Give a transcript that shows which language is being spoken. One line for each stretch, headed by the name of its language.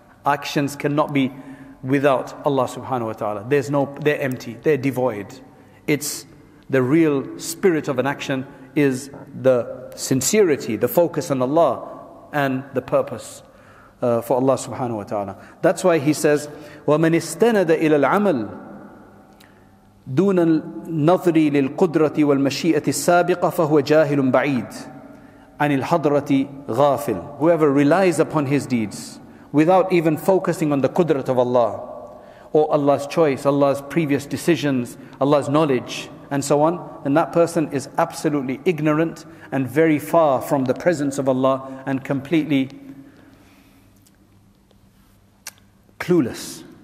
English: Actions cannot be without Allah subhanahu wa ta'ala. They're empty, they're devoid. It's the real spirit of an action is the sincerity, the focus on Allah, and the purpose for Allah subhanahu wa ta'ala. That's why he says,
Arabic: وَمَنِ اسْتَنَدَ إِلَى الْعَمَلِ دُونَ النَّظْرِ لِلْقُدْرَةِ وَالْمَشِيئَةِ السَّابِقَةِ فَهُوَ جَاهِلٌ بَعِيدٌ عَنِ الْحَضْرَةِ غَافِلٌ.
English: Whoever relies upon his deeds without even focusing on the qudrat of Allah, or Allah's choice, Allah's previous decisions, Allah's knowledge, and so on, then that person is absolutely ignorant and very far from the presence of Allah and completely clueless.